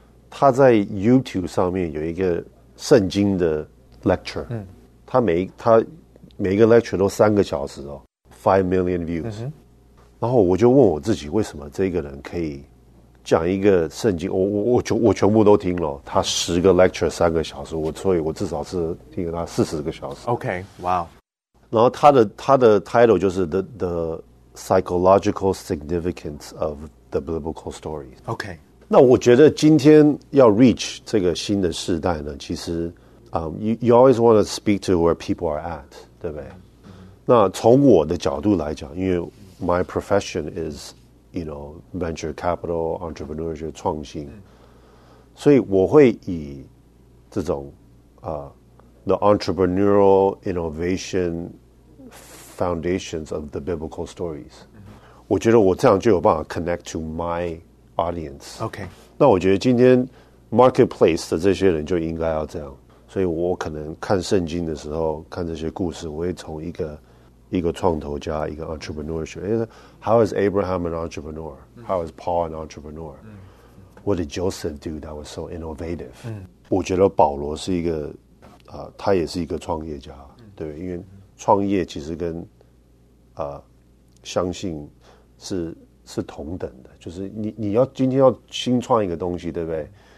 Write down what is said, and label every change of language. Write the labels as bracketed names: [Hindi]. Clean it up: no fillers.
[Chinese] 他在 YouTube 上面有一个圣经的 lecture。他每个 lecture 都三个小时哦 , [English] 5 million views、嗯。 [Chinese] 然后我就问我自己为什么这个人可以讲一个圣经 我全部都听了，他十个 lecture 三个小时，所以我至少是听了他40个小时。 OK, wow。然后他的 title 就是 [English] The Psychological Significance of the Biblical Story。 OK。 [Chinese] 那我觉得今天要 reach 这个新的世代呢，其实 [English] you always want to speak to where people are at, [Chinese] 对不对？ [English] 那从我的角度来讲，因为 my profession is, you know, venture capital, entrepreneurship, 创新， [Chinese] 所以我会以这种 [English] the entrepreneurial innovation foundations of the biblical stories, [Chinese] 我觉得我这样就有办法 [English] connect to my audience. OK. [Chinese] 那我觉得今天 marketplace 的这些人就应该要这样。所以我可能看圣经的时候看这些故事，我会从一个创投家，一个 entrepreneur 学。 [English] How is Abraham an entrepreneur? How is Paul an entrepreneur? What did Joseph do that was so innovative? [Chinese] 我觉得保罗是一个他也是一个创业家，对，因为创业其实跟相信是同等的，就是你要今天要新创一个东西，对不对？